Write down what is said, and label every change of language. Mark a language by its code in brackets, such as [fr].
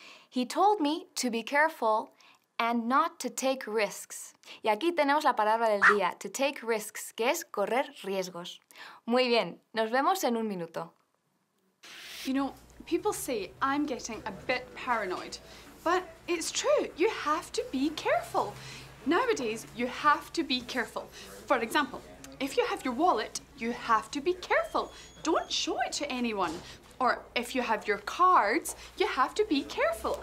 [en] He told me to be careful and not to take risks. [es] Y aquí tenemos la palabra del día, [en] to take risks, [es] que es correr riesgos. Muy bien, nos vemos en un minuto. [en] You know, people say I'm getting a bit paranoid, but it's true, you have to be careful. Nowadays, you have to be careful. For example, if you have your wallet, you have to be careful. Don't show it to anyone. Or if you have your cards, you have to be careful.